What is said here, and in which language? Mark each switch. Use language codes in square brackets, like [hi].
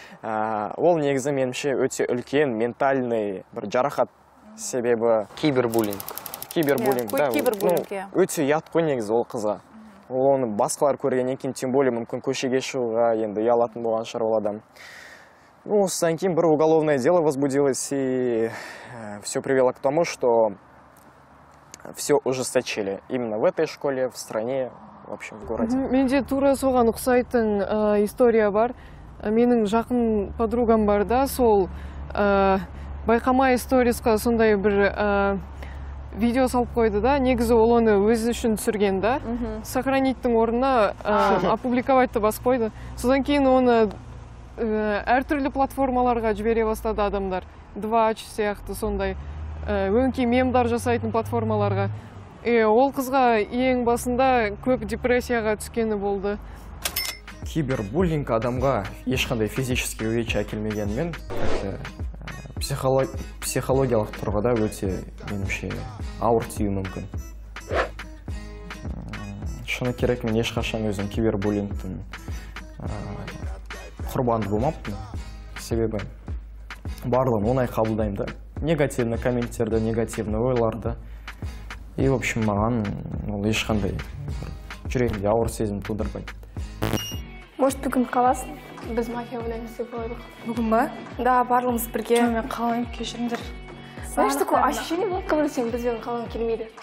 [kk] Ол негізі менше өте үлкен ментальный бір жарақат себебі кибербуллинг. Кибербуллинг, да. Өте ұят қой негізі ол қызға. Ол оны басқалар көргеннен кейін, [ru] тем более [kk] мүмкін көшеге шығуға енді ұялатын болған шығар ол адам. [ru] Осыдан кейін бір уголовное дело возбудилось, и все привело к тому, что все ужесточили именно в этой школе, в стране, в общем, в городе. [kk] Менде тура соған ұқсайтын история бар. Менің жақын подругам бар, да, сол байқамай сторисқа сондай бір видео салып қойды, да, негізі ол оны өзі үшін түсірген, да, сохранитьтің орнына опубликовать-ты бас қойды. Содан кейін оны әртүрлі платформаларға жібере бастады адамдар. Двач сияқты сондай өңкей мемдар жасайтын платформаларға. Ол қызға ең басында көп депрессияға түскені болды. Кибербуллинг адамға ешқандай [ru] физически увечья [kk] әкелмегенмен, психологиялық тұрғыда өте меніңше ауыр тию мүмкін. Шыны керек, мен ешқашан өзім кибербуллингтің құрбанды болмаппын. Себебі барлығын оңай қабылдаймын да. Негативні комменттерді, негативні ойларды. И, [ru] в общем, [kk] маған ол ешқандай жүрегінде ауыр сезім тудырбайды. Может, бүгін қаласың? Біз мафия ойлаймыз деп ойладық. Бүгін ба? Да, барлығымыз бірге. Мен қалайын, кешіріңдер. [ru] Знаешь, такое ощущение было, как будто [kk] бізбен қалғың келмейді.